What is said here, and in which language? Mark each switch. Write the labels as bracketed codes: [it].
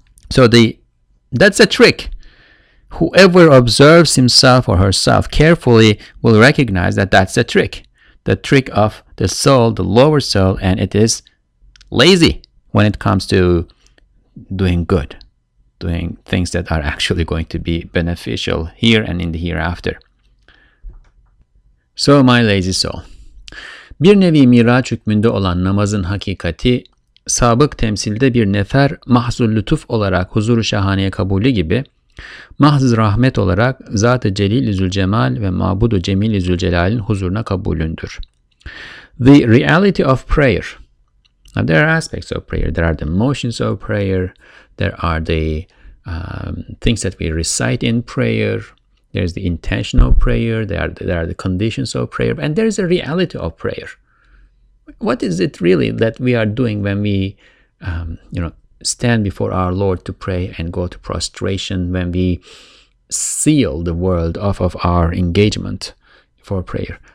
[en] So that's a trick. Whoever observes himself or herself carefully will recognize that's a trick. The trick of the soul, the lower soul, and it is lazy when it comes to doing good, doing things that are actually going to be beneficial here and in the hereafter. So my lazy soul. [tr] Bir nevi miraç hükmünde olan namazın hakikati, sabık temsilde bir nefer mahzul lütuf olarak huzur-u şahaneye kabulü gibi, mahz rahmet olarak Zat-ı Celil-i Zülcemal ve Mabud-u Cemil-i Zülcelal'in huzuruna kabulündür. [en] The reality of prayer. Now there are aspects of prayer. There are the motions of prayer. There are the things that we recite in prayer. There is the intention of prayer. There are the conditions of prayer. And there is a reality of prayer. What is it really that we are doing when we, stand before our Lord to pray and go to prostration, when we seal the world off of our engagement for prayer?